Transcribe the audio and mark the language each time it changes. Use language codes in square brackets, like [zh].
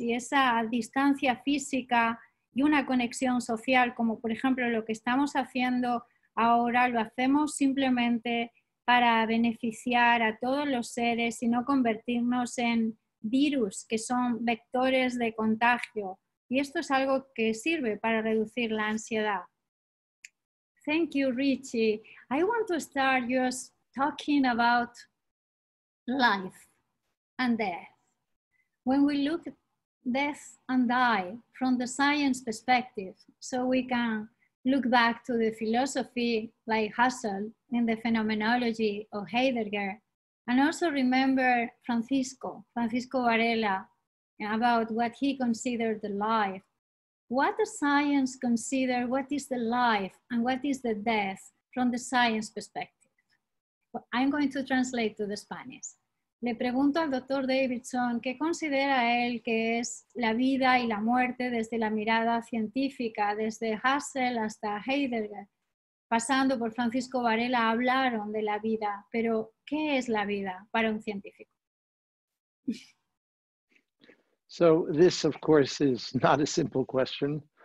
[es] Y esa distancia física y una conexión social, como por ejemplo lo que estamos haciendo ahora, lo hacemos simplemente para beneficiar a todos los seres y no convertirnos en virus, que son vectores de contagio. Y esto es algo que sirve para reducir la ansiedad. [en] Thank you, Richie. I want to start just talking about life and death. When we look at death and die from the science perspective, so we can look back to the philosophy like Husserl in the phenomenology of Heidegger, and also remember Francisco Varela, about what he considered the life. What does science consider, what is the life and what is the death from the science perspective? I'm going to translate to the Spanish. [es] Le pregunto al Dr. Davidson qué considera él que es la vida y la muerte desde la mirada científica, desde Husserl hasta Heidegger, pasando por Francisco Varela, hablaron de la vida, pero ¿qué es la vida para un científico? [en] So this, of course, is not a simple question.